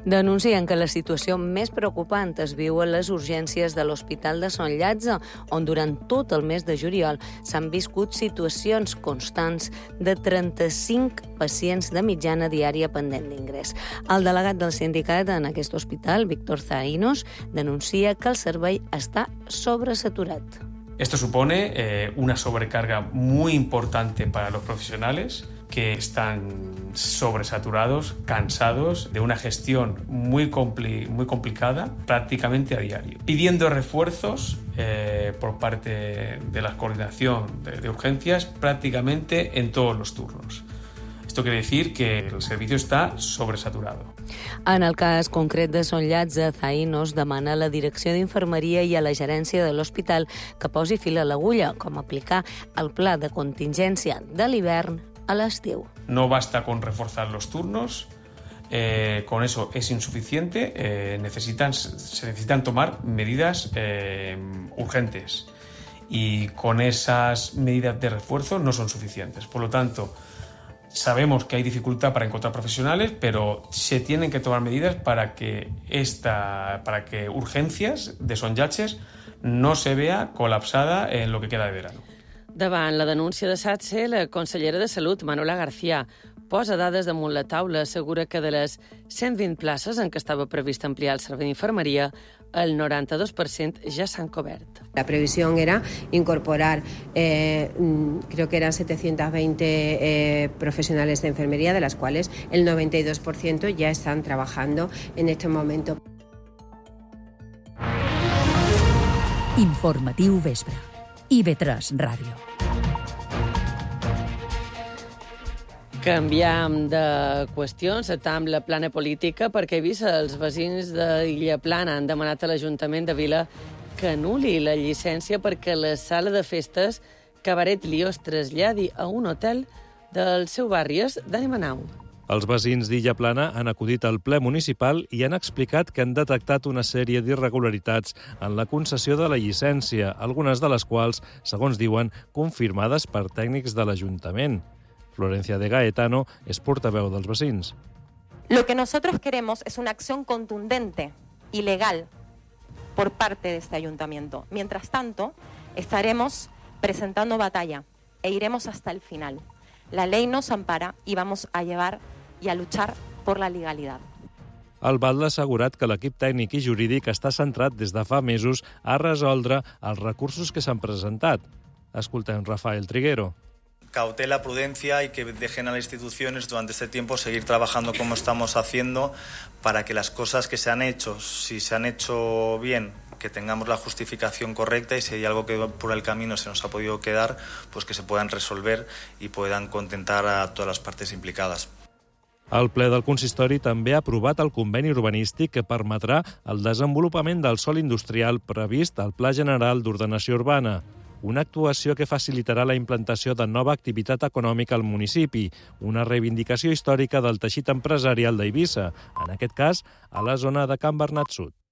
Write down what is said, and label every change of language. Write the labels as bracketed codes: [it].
[ca] Denuncien que la situació més preocupant es viu a les urgències de l'Hospital de Sant Llàtzer, on durant tot el mes de juliol s'han viscut situacions constants de 35 pacients de mitjana diària pendent d'ingrés. El delegat del sindicat en aquest hospital, Víctor Zainos, denuncia que el servei està sobresaturat. [es] Esto supone una sobrecarga muy importante para los profesionales que están sobresaturados, cansados de una gestión muy muy complicada prácticamente a diario. Pidiendo refuerzos por parte de la coordinación de urgencias prácticamente en todos los turnos. Esto quiere decir que el servicio está sobresaturado. [ca] En el cas concret de Sant Llàtzer, Zainos demana a la direcció d'infermeria i a la gerència de l'hospital que posi fil a l'agulla, com aplicar el pla de contingència de l'hivern a l'estiu. [es] No basta con reforzar los turnos, con eso es insuficiente, se necesitan tomar medidas urgentes y con esas medidas de refuerzo no son suficientes. Por lo tanto, sabemos que hay dificultad para encontrar profesionales, pero se tienen que tomar medidas para que urgencias de Sant Llàtzer no se vea colapsada en lo que queda de verano. [ca] Davant la denúncia de Satse, la consellera de Salut, Manuela García, posa dades damunt la taula, assegura que de les 120 places en què estava previst ampliar el servei d'infermeria, el 92% ja s'han cobert. La previsió era incorporar, [es] creo que eran 720 profesionales de enfermería, de las cuales el 92% ya están trabajando en este momento. [ca] Informatiu Vespre, IB3 Ràdio. Canviem de qüestió, encetem la plana política, perquè Eivissa, els veïns d'Illa Plana han demanat a l'Ajuntament de Vila que anul·li la llicència perquè la sala de festes Cabaret Lió es traslladi a un hotel del seu barri, és d'Ànima Nau. Els veïns d'Illa Plana han acudit al ple municipal i han explicat que han detectat una sèrie d'irregularitats en la concessió de la llicència, algunes de les quals, segons diuen, confirmades per tècnics de l'Ajuntament. Florencia de Gaetano es portaveu dels veïns. [es] Lo que nosotros queremos es una acción contundente y legal por parte de este ayuntamiento. Mientras tanto, estaremos presentando batalla e iremos hasta el final. La ley nos ampara y vamos a llevar y a luchar por la legalidad. [ca] El Batle ha assegurat que l'equip tècnic i jurídic està centrat des de fa mesos a resoldre els recursos que s'han presentat. Escoltem Rafael Triguero. [es] cautela, prudencia y que dejen a las instituciones durante este tiempo seguir trabajando como estamos haciendo para que las cosas que se han hecho, si se han hecho bien, que tengamos la justificación correcta y si hay algo que por el camino se nos ha podido quedar, pues que se puedan resolver y puedan contentar a todas las partes implicadas. [ca] El ple del consistori també ha aprovat el conveni urbanístic que permetrà el desenvolupament del sòl industrial previst al Pla General d'Ordenació Urbana, una actuació que facilitarà la implantació de nova activitat econòmica al municipi, una reivindicació històrica del teixit empresarial d'Eivissa, en aquest cas a la zona de Can Bernat Sud.